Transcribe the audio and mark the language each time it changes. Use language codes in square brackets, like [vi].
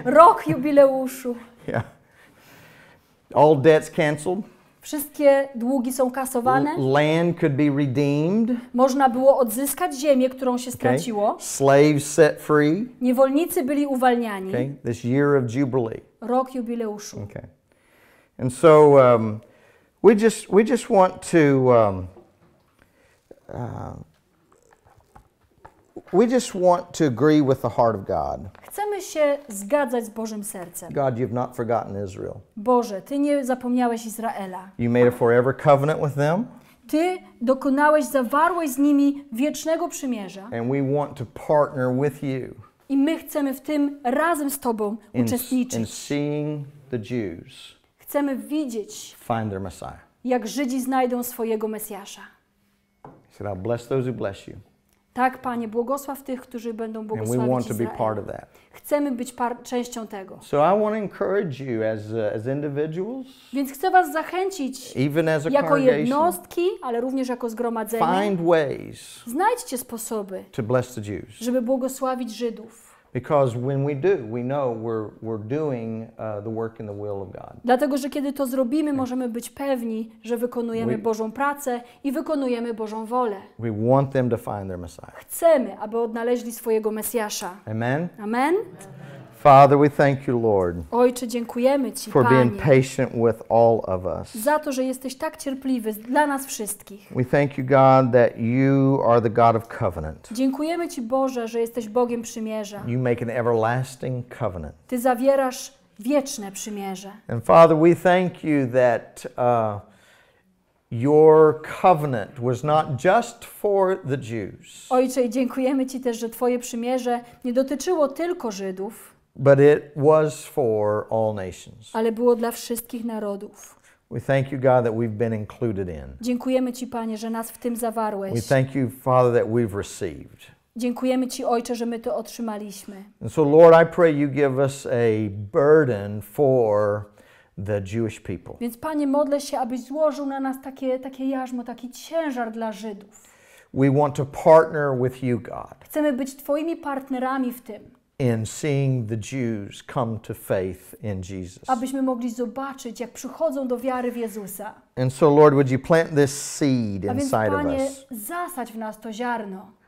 [pl] Rok jubileuszu. [en] Yeah. All debts canceled. [pl] Wszystkie długi są kasowane. [en] Land could be redeemed. [pl] Można było odzyskać ziemię, którą się straciło. [en] Okay. Slaves set free. [pl] Niewolnicy byli uwalniani. [en] Okay. This year of jubilee. [pl] Rok jubileuszu. [en] Okay. And so we just want to we just want to agree with the heart of God. [pl] Chcemy się zgadzać z Bożym sercem. [en] God, you've not forgotten Israel. [pl] Boże, Ty nie zapomniałeś Izraela. [en] You made a forever covenant with them. [pl] Ty dokonałeś, zawarłeś z nimi wiecznego przymierza. [en] And we want to partner with you. [pl] I my chcemy w tym razem z Tobą uczestniczyć. [en] In seeing the Jews. [pl] Chcemy widzieć. [en] Find their Messiah. [pl] Jak Żydzi znajdą swojego Mesjasza. [en] He said, I'll bless those who bless you. [pl] Tak, Panie, błogosław tych, którzy będą błogosławić Izrael. Chcemy być częścią tego. [en] So I want to encourage you as individuals. [pl] Więc chcę was zachęcić jako jednostki, ale również jako zgromadzenie. [en] Find ways. [pl] Znajdźcie sposoby. [en] To bless the Jews. [pl] Żeby błogosławić Żydów. [en] Because when we do, we know we're doing the work in the will of God. [pl] Dlatego, że kiedy to zrobimy, możemy być pewni, że wykonujemy Bożą pracę i wykonujemy Bożą wolę. [en] We want them to find their Messiah. [pl] Chcemy, aby odnaleźli swojego Mesjasza. [en] Amen. [pl] Amen. [en] Father, we thank you, Lord. [pl] Ojcze, dziękujemy ci, Panie. [en] For being patient with all of us. [pl] Za to, że jesteś tak cierpliwy dla nas wszystkich. [en] We thank you, God, that you are the God of covenant. [pl] Dziękujemy ci, Boże, że jesteś Bogiem przymierza. [en] You make an everlasting covenant. [pl] Ty zawierasz wieczne przymierze. [en] And Father, we thank you that your covenant was not just for the Jews. [pl] Ojcze, dziękujemy ci też, że twoje przymierze nie dotyczyło tylko Żydów. [en] But it was for all nations. [pl] Ale było dla wszystkich narodów. [en] We thank you, God, that we've been included in. [pl] Dziękujemy ci, Panie, że nas w tym zawarłeś. [en] We thank you, Father, that we've received. [pl] Dziękujemy ci, Ojcze, że my to otrzymaliśmy. [en] And so, Lord, I pray you give us a burden for the Jewish people. [pl] Więc, Panie, modlę się, abyś złożył na nas takie jarzmo, taki ciężar dla Żydów. [en] We want to partner with you, God. [pl] Chcemy być twoimi partnerami w tym. [en] In seeing the Jews come to faith in Jesus. [pl] Abyśmy mogli zobaczyć, jak przychodzą do wiary w Jezusa. [en] And so, Lord, would you plant this seed inside of us? [pl] A więc, Panie, zasadź w nas to ziarno.